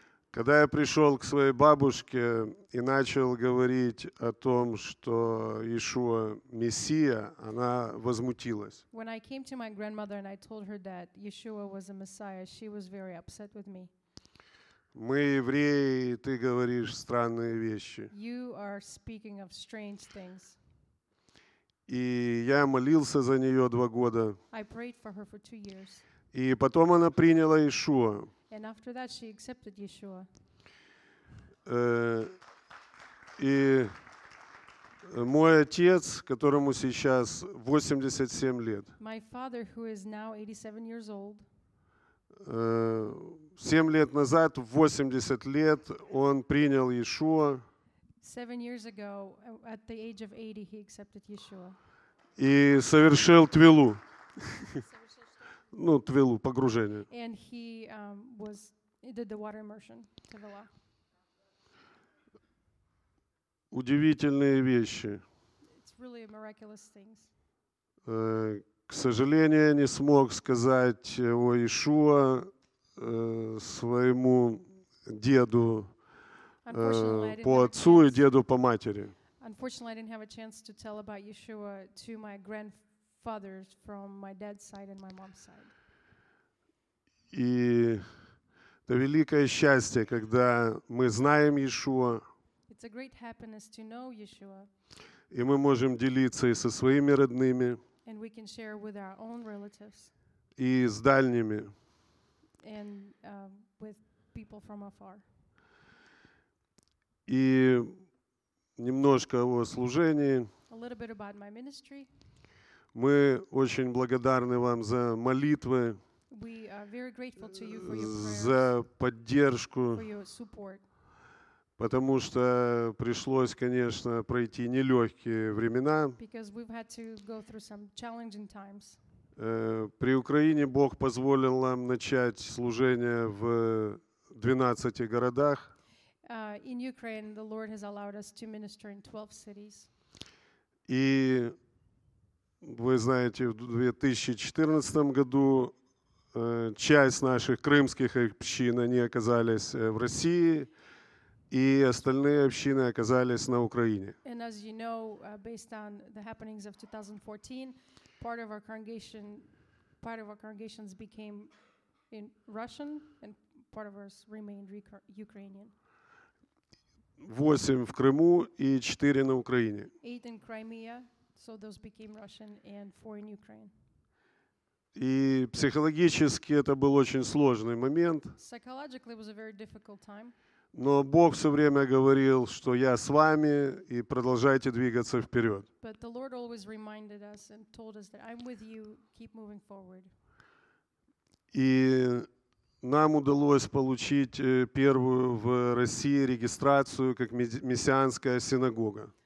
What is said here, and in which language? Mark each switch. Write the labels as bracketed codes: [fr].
[ru] Когда я пришел к своей бабушке и начал говорить о том, что Иешуа Мессия, она возмутилась. Мы, евреи, ты говоришь странные вещи. [en] You are speaking of strange things. [ru] И я молился за нее 2 года. [en] I prayed for her for 2 years. [ru] И потом она приняла Иешуа. [en] And after that she accepted Yeshua. [ru] И мой отец, которому сейчас 87 лет. [en] My father, who is now 87 years old. [ru] 7 лет назад, в 80 лет, он принял Иешуа. [en] 7 years ago, at the age of 80, he accepted Yeshua. [ru] И совершил твилу. Ну, твилу, погружение. [en] And he did the water immersion, твила. [ru] Удивительные вещи. [en] It's really miraculous things. [ru] К сожалению, не смог сказать о Иешуа своему деду по отцу и деду по матери. [en] Unfortunately, I didn't have a chance to tell about Yeshua to my grandfathers from my dad's side and my mom's side. [ru] И это великое счастье, когда мы знаем Иешуа. [en] It's a great happiness to know Yeshua. [ru] И мы можем делиться и со своими родными. [en] And we can share with our own relatives. [ru] И с дальними. [en] And with people from afar. [ru] И немножко о служении. [en] A little bit about my ministry. [ru] Мы очень благодарны вам за молитвы, [en] we are very grateful to you for your prayers, [ru] за поддержку, [en] for your support. [ru] Потому что пришлось, конечно, пройти нелегкие времена. [en] Because we've had to go through some challenging times. [ru] При Украине Бог позволил нам начать служение в 12 городах. [en] In Ukraine, the Lord has allowed us to minister in 12 cities. [ru] И вы знаете, в 2014 году часть наших крымских общин, они оказались в России, и остальные общины оказались на Украине. [en] And as you know, based on the happenings of 2014, part of our congregations became in Russian, and part of us remained Ukrainian. [ru] 8 в Крыму и 4 на Украине. [en] 8 in Crimea, so those became Russian, and 4 in Ukraine. [ru] И психологически это был очень сложный момент. [en] Psychologically, it was a very difficult time. [ru] Но Бог все время говорил, что я с вами, и продолжайте двигаться вперед. [en] But the Lord always reminded us and told us that I'm with you, keep moving forward. [ru] И нам удалось получить первую в России регистрацию как мессианская синагога.